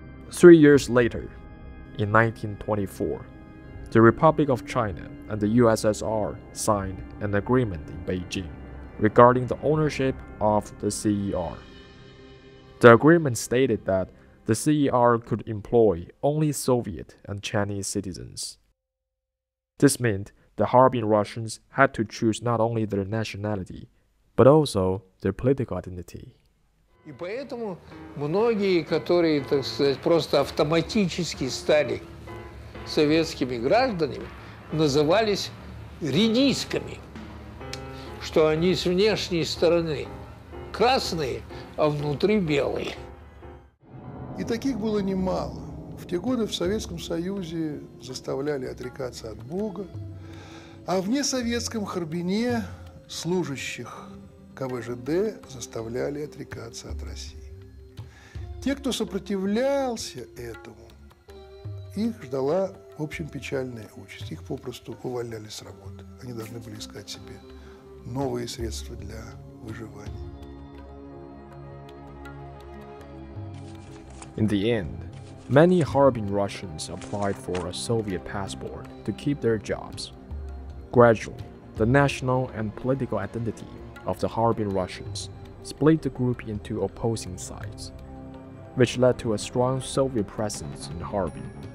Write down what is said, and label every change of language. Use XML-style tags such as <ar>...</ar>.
<en>3 years later, in 1924, the Republic of China and the USSR signed an agreement in Beijing regarding the ownership of the CER. The agreement stated that the CER could employ only Soviet and Chinese citizens. This meant the Harbin Russians had to choose not only their nationality, but also their political identity.</en> <ru>И поэтому многие, которые, так сказать, просто автоматически стали советскими гражданами, назывались редисками, что они с внешней стороны красные, а внутри белые. И таких было немало. В те годы в Советском Союзе заставляли отрекаться от Бога, а в несоветском Харбине служащих КВЖД заставляли отрекаться от России. Те, кто сопротивлялся этому, их ждала, в общем, печальная участь. Их попросту уволяли с работы. Они должны были искать себе новые средства для выживания.</ru> <en>In the end, many Harbin Russians applied for a Soviet passport to keep their jobs Gradually, the national and political identity of the Harbin Russians split the group into opposing sides, which led to a strong Soviet presence in Harbin.</en>